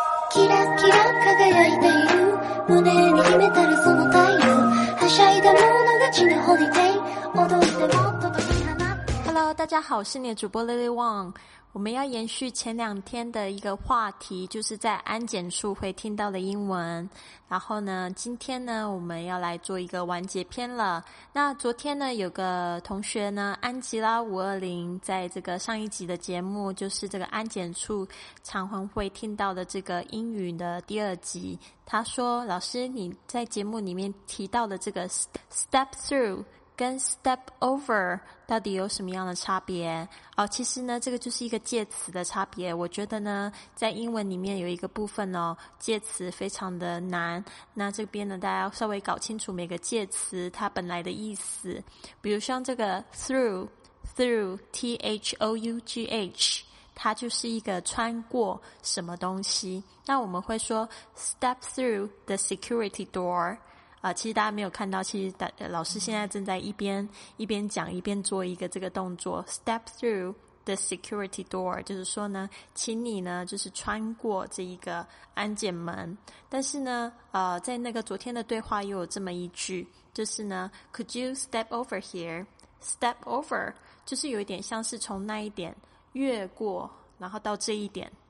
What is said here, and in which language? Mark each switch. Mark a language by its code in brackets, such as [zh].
[ja] キラキラ輝いた夕胸に秘めたるその太陽はしゃいだ者勝ちのホリデイ踊ってもっと解き放って。 [zh] Hello 大家好，是你的主播 Lily Wang。我们要延续前两天的一个话题，就是在安检处会听到的英文。然后呢，今天呢，我们要来做一个完结篇了。那昨天呢，有个同学呢，安吉拉520，在这个上一集的节目，就是这个安检处常常会听到的这个英语的第二集，他说，老师，你在节目里面提到的这个 step through跟 step over 到底有什么样的差别？哦，其实呢，这个就是一个介词的差别。我觉得呢，在英文里面有一个部分哦，介词非常的难。那这边呢，大家要稍微搞清楚每个介词它本来的意思。比如像这个 through T-H-O-U-G-H， 它就是一个穿过什么东西。那我们会说 [en] step through the security door。 [zh] 其实大家没有看到，其实老师现在正在一边讲一边做一个这个动作 [en] step through the security door， [zh] 就是说呢，请你呢就是穿过这一个安检门。但是呢在那个昨天的对话又有这么一句，就是呢 [en] could you step over here， [zh] step over 就是有一点像是从那一点越过然后到这一点。